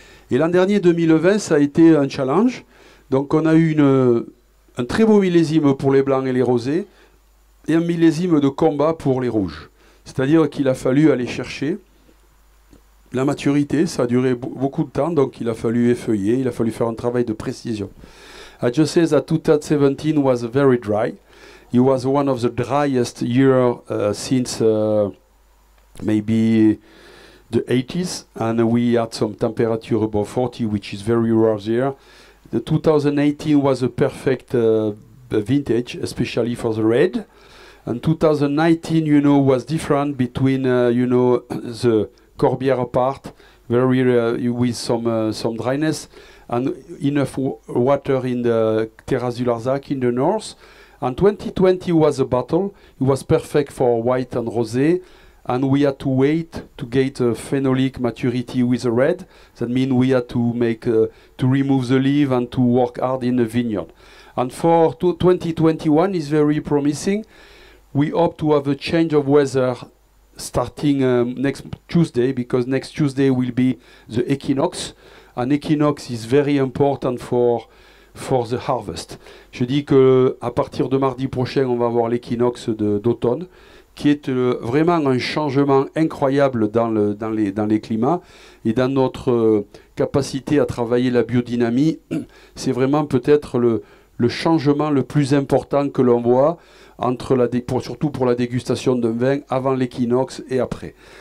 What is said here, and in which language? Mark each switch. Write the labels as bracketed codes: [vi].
[fr] Et l'an dernier, 2020, ça a été un challenge. Donc on a eu un très beau millésime pour les blancs et les rosés et un millésime de combat pour les rouges. C'est-à-dire qu'il a fallu aller chercher la maturité. Ça a duré beaucoup de temps, donc il a fallu effeuiller, il a fallu faire un travail de précision. [en] I just say that 2017 was very dry. It was one of the driest years since maybe the 80s, and we had some temperature above 40, which is very rare there. The 2018 was a perfect vintage, especially for the red. And 2019, you know, was different between, the Corbière part, very with some dryness, and enough water in the Terrasse du Larzac in the north. And 2020 was a battle. It was perfect for white and rosé. And we had to wait to get a phenolic maturity with the red. That means we had to to remove the leaf and to work hard in the vineyard. And for 2021 is very promising. We hope to have a change of weather starting next Tuesday, because next Tuesday will be the equinox. And equinox is very important for the harvest. [fr] Je dis que à partir de mardi prochain, on va avoir l'équinoxe d'automne, qui est vraiment un changement incroyable dans les climats et dans notre capacité à travailler la biodynamie. C'est vraiment peut-être le changement le plus important que l'on voit pour la dégustation d'un vin avant l'équinoxe et après.